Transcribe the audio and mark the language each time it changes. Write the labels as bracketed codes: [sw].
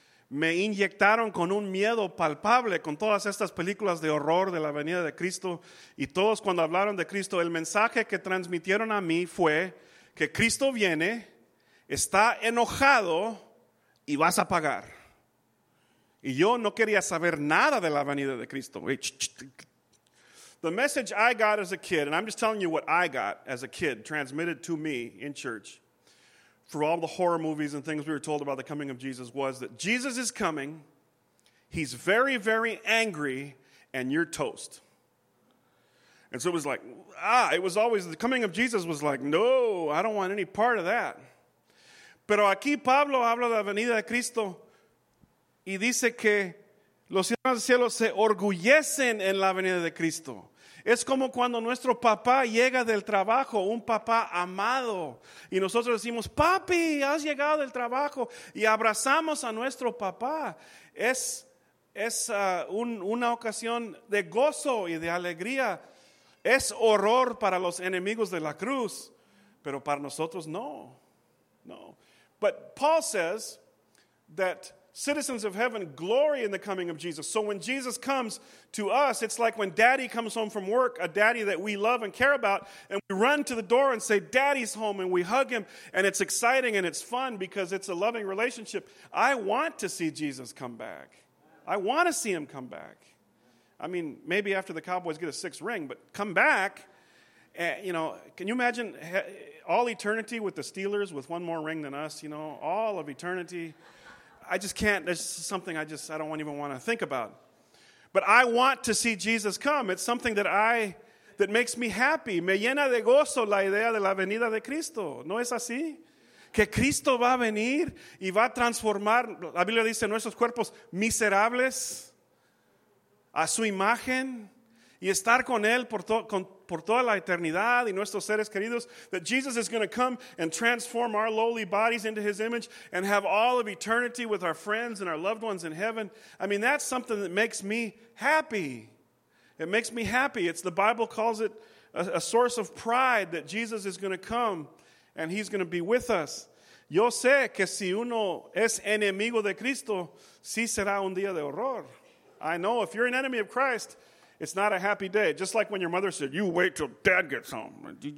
[es] Me inyectaron con un miedo palpable con todas estas películas de horror de la venida de Cristo. Y todos cuando hablaron de Cristo, el mensaje que transmitieron a mí fue que Cristo viene, está enojado y vas a pagar. Y yo no quería saber nada de la venida de Cristo. [en] The message I got as a kid, and I'm just telling you what I got as a kid, transmitted to me in church, for all the horror movies and things we were told about the coming of Jesus, was that Jesus is coming, he's very, very angry, and you're toast. And so it was like, it was always, the coming of Jesus was like, no, I don't want any part of that. [es] Pero aquí Pablo habla de la venida de Cristo, y dice que los ciudadanos del cielo se orgullecen en la venida de Cristo. Es como cuando nuestro papá llega del trabajo, un papá amado, y nosotros decimos, papi, has llegado del trabajo, y abrazamos a nuestro papá. Es una ocasión de gozo y de alegría. Es horror para los enemigos de la cruz, pero para nosotros no. No. [en] But Paul says that citizens of heaven glory in the coming of Jesus. So when Jesus comes to us, it's like when daddy comes home from work, a daddy that we love and care about, and we run to the door and say, daddy's home, and we hug him, and it's exciting and it's fun because it's a loving relationship. I want to see Jesus come back. I want to see him come back. I mean, maybe after the Cowboys get a sixth ring, but come back. You know, can you imagine all eternity with the Steelers with one more ring than us? You know, all of eternity. I just can't. There's something I don't even want to think about. But I want to see Jesus come. It's something that makes me happy. [es] Me llena de gozo la idea de la venida de Cristo. ¿No es así? Que Cristo va a venir y va a transformar, la Biblia dice, nuestros cuerpos miserables a su imagen y estar con él por toda la eternidad y nuestros seres queridos, [en] that Jesus is going to come and transform our lowly bodies into his image and have all of eternity with our friends and our loved ones in heaven. I mean, that's something that makes me happy. It makes me happy. The Bible calls it a source of pride that Jesus is going to come and he's going to be with us. [es] Yo sé que si uno es enemigo de Cristo, sí será un día de horror. [en] I know if you're an enemy of Christ, it's not a happy day. Just like when your mother said, you wait till dad gets home.